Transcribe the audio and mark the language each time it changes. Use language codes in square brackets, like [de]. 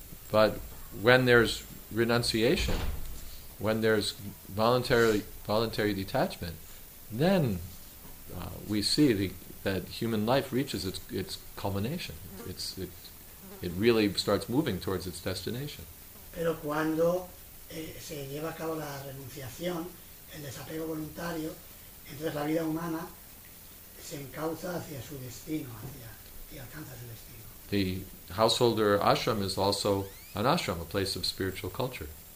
[en] But when there's renunciation, when there's voluntary detachment, then we see that human life reaches its culmination. It really starts moving towards its destination. [es] Pero cuando se lleva a cabo la renunciación, el desapego voluntario, entonces la vida humana se encauza hacia su destino, y alcanza su destino. [en] The householder ashram is also an ashram, a place of spiritual culture.